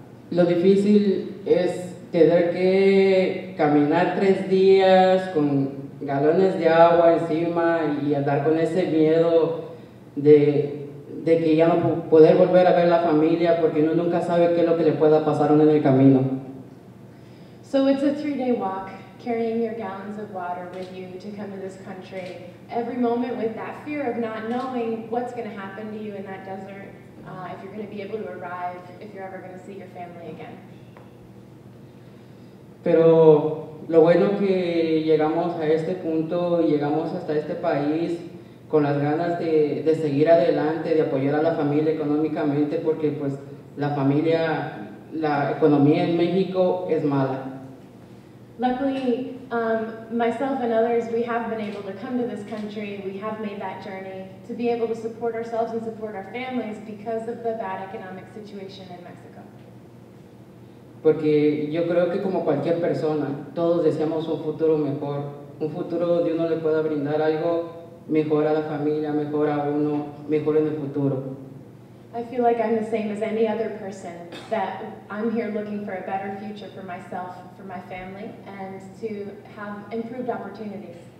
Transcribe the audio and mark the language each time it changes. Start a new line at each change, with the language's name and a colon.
Spanish: Lo difícil es tener que caminar 3 días con galones de agua encima y andar con ese miedo de que ya no poder volver a ver la familia porque uno nunca sabe qué es lo que le pueda pasar en el camino.
English: So it's a 3-day walk, carrying your gallons of water with you to come to this country, every moment with that fear of not knowing what's going to happen to you in that desert, if you're going to be able to arrive, if you're ever going to see your family again.
Spanish: Pero lo bueno que llegamos a este punto, llegamos hasta este país con las ganas de seguir adelante, de apoyar a la familia económicamente, porque pues la familia, la economía en México es mala.
English: Luckily, myself and others, we have been able to come to this country, we have made that journey to be able to support ourselves and support our families because of the bad economic situation in Mexico.
Spanish: Porque yo creo que como cualquier persona, todos deseamos un futuro mejor, un futuro donde uno le pueda brindar algo mejor a la familia, mejor a uno, mejor en el futuro.
English: I feel like I'm the same as any other person, that I'm here looking for a better future for myself, for my family, and to have improved opportunities.